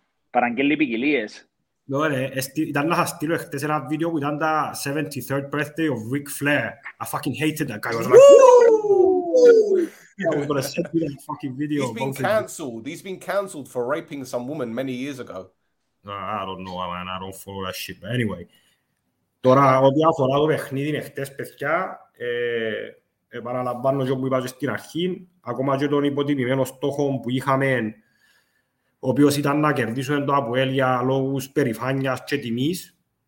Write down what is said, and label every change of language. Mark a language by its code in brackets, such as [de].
[el] Παραγγέλνει ποικιλίες. No, ήταν να στείλω χτες ένα βίντεο που ήταν τα [en] 73rd birthday of Ric Flair. I fucking hated that guy. I was like, I'm gonna send you that fucking video. He's been cancelled for raping some woman many years ago. I don't know, man. I don't follow that shit. But anyway, [el] τώρα ό,τι αφορά το παιχνίδι χτες, παιδιά, επαναλαμβάνω και όπου είπα και στην αρχή, ακόμα και τον υποτιμημένο στόχο που είχαμε, ο οποίος ήταν να κερδίσουμε το Αποέλ για λόγους περηφάνειας και τιμής.